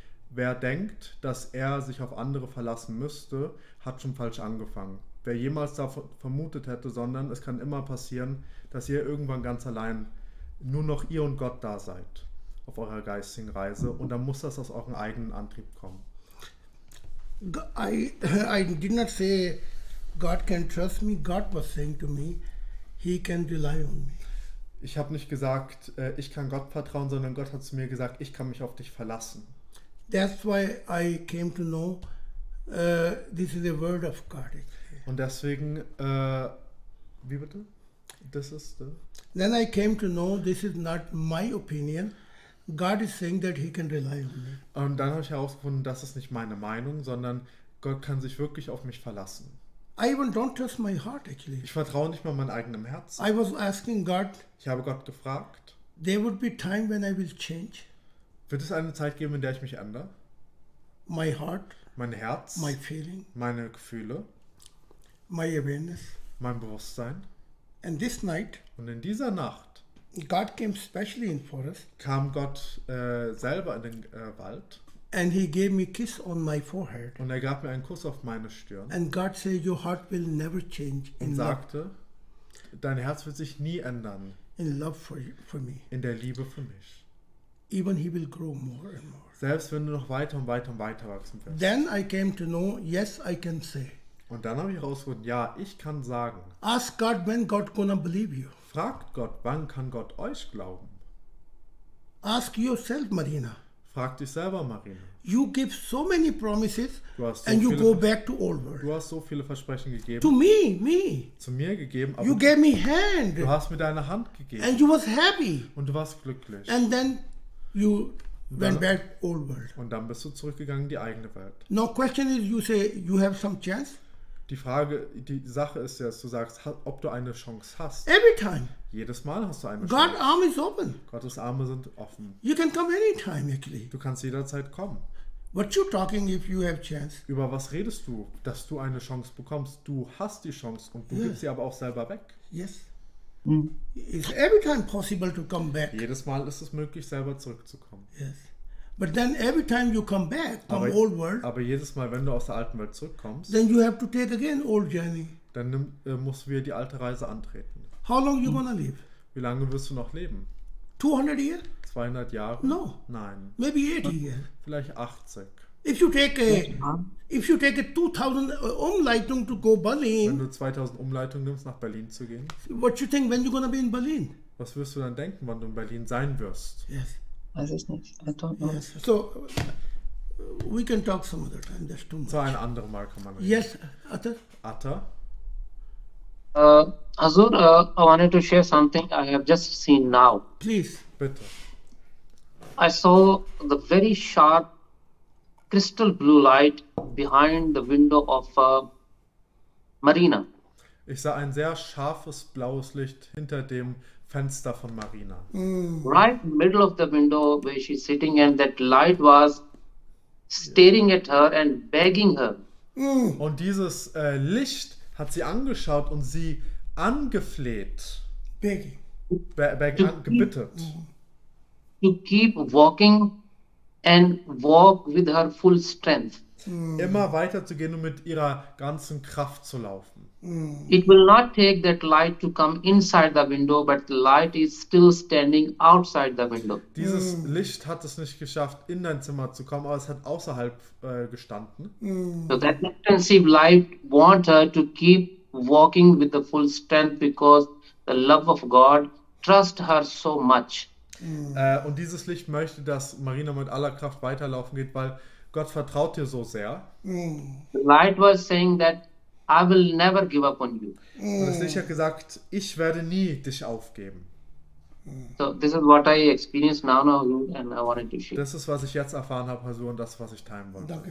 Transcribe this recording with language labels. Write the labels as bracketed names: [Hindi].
[German] Wer denkt, dass er sich auf andere verlassen müsste, hat schon falsch angefangen. Wer jemals davon vermutet hätte, sondern es kann immer passieren, dass ihr irgendwann ganz allein nur noch ihr und Gott da seid auf eurer geistigen Reise. Und dann muss das aus eurem eigenen Antrieb kommen. [English] I did not say God can trust me. God was saying to me, he can rely on me. [German] Ich habe nicht gesagt, ich kann Gott vertrauen, sondern Gott hat zu mir gesagt, ich kann mich auf dich verlassen. [English] That's why I came to know this is the word of God. [German] Und deswegen, wie bitte? [English] This is the... Then I came to know this is not my opinion. God is saying that he can rely on me. [German] Und dann habe ich herausgefunden, das ist nicht meine Meinung, sondern Gott kann sich wirklich auf mich verlassen. [English] I even don't trust my heart, actually. [German] Ich vertraue nicht mal meinem eigenen Herz. [English] I was asking God. [German] Ich habe Gott gefragt. [English] There would be time when I will change. [German] Wird es eine Zeit geben, in der ich mich ändere? [English] My heart. [German] Mein Herz. [English] My feeling. [German] Meine Gefühle. [English] My awareness. [German] Mein Bewusstsein. [English] And this night. [German] Und in dieser Nacht. [English] God came specially in forest. [German] Kam Gott selber in den Wald. [English] And he gave me kiss on my forehead. [German] Und er gab mir einen Kuss auf meine Stirn. [English] And God said, your heart will never change. [German] Und sagte, dein Herz wird sich nie ändern. [English] In love for me. [German] In der Liebe für mich. [English] Even he will grow more and more. [German] Selbst wenn du noch weiter und weiter und weiter wachsen wirst. [English] Then I came to know, yes, I can say. [German] Und dann habe ich herausgefunden, ja, ich kann sagen. [English] Ask God when God gonna believe you. [German] Fragt Gott, wann kann Gott euch glauben? [English] Ask yourself, Marina. [German] Frag dich selber, Marina. [English] You give so many promises so and you go back to old world. [German] Du hast so viele Versprechen gegeben. [English] To me. [German] Zu mir gegeben. [English] Aber you gave me hand. [German] Du hast mir deine Hand gegeben. [English] And you was happy. [German] Und du warst glücklich. [English] And then you went back old world. [German] Und dann bist du zurückgegangen in die eigene Welt. [English] No question is, you say you have some chance. [German] Die Frage, die Sache ist ja, dass du sagst, ob du eine Chance hast. [English] Every time. [German] Jedes Mal hast du eine [English] Chance. God's arm is open. [German] Gottes Arme sind offen. [English] You can come anytime, actually. [German] Du kannst jederzeit kommen. [English] What you talking if you have chance? [German] Über was redest du, dass du eine Chance bekommst? Du hast die Chance und du gibst sie aber auch selber weg. [English] Yes. It's every time possible to come back. [German] Jedes Mal ist es möglich, selber zurückzukommen. [English] Yes. But then every time you come back from old world, [German] aber jedes Mal, wenn du aus der alten Welt zurückkommst, [English] then you have to take again old journey. [German] Dann musst du wieder die alte Reise antreten. [English] How long you gonna live? [German] Wie lange wirst du noch leben? [English] 200 years? [German] 200 Jahre? [English] No. [German] Nein. [English] Maybe 80 years. [German] Vielleicht 80. [English] If you take a 2000 Umleitung to go Berlin. [German] Wenn du 2000 Umleitung nimmst, nach Berlin zu gehen. [English] What you think when you gonna be in Berlin? [German] Was wirst du dann denken, wann du in Berlin sein wirst? [English] Yes. [German] Weiß ich nicht. [English] Yes. So, we can talk some other time. That's too much. [German] So, ein anderes Mal kann man reden. [English] Yes, Atta. Atta. Azur, I wanted to share something I have just seen now. Please. [German] Bitte. [English] I saw the very sharp crystal blue light behind the window of Marina. [German] Ich sah ein sehr scharfes blaues Licht hinter dem Fenster von Marina. [English] Right middle of the window where she's sitting and that light was staring at her and begging her. [German] Und dieses Licht hat sie angeschaut und sie angefleht. [English] Begging. [German] Gebittet. [English] To keep walking and walk with her full strength. [German] Immer weiter zu gehen und mit ihrer ganzen Kraft zu laufen. [English] It will not take that light to come inside the window, but the light is still standing outside the window. [German] Dieses Licht hat es nicht geschafft, in dein Zimmer zu kommen, aber es hat außerhalb gestanden. [English] So that intensive light wants her to keep walking with the full strength because the love of God trusts her so much. [German] Und dieses Licht möchte, dass Marina mit aller Kraft weiterlaufen geht, weil Gott vertraut dir so sehr. [English] The light was saying that I will never give up on you. [German] Und er hat sicher gesagt, ich werde nie dich aufgeben. [English] So this is what I experienced now, now and I wanted to share. [German] Das ist, was ich jetzt erfahren habe, Hasur, und das, was ich teilen wollte.